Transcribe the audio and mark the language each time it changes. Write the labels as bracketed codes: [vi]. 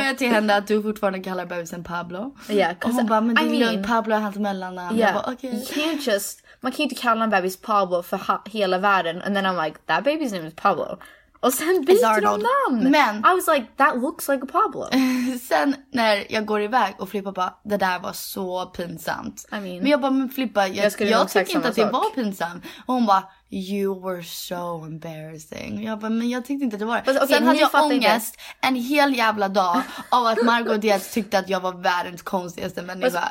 [sv] Sa jag till henne att du fortfarande kallar bebisen Pablo. [en] Yeah, [sv] och hon bara, men det är Pablo är hans mellannamn. Yeah. Jag bara, okej. Okay. [en] You can't just, [sv] man kan inte kalla en bebis Pablo för hela världen. [en] And then I'm like, that baby's name is Pablo. [sv] Och sen byter de namn. Men, [en] I was like, that looks like a Pablo. [sv] Sen när jag går iväg och Filippa bara, det där var så pinsamt. [en] I mean, [sv] men jag bara, men Filippa, jag tycker inte att det var pinsamt. Och hon bara, [en] you were so embarrassing. [sv] Jag bara, men jag tyckte inte att det var det. [en] Okay, [sv] sen hade jag ångest en hel jävla dag av att Margot Diaz tyckte att jag var världens konstigaste människa.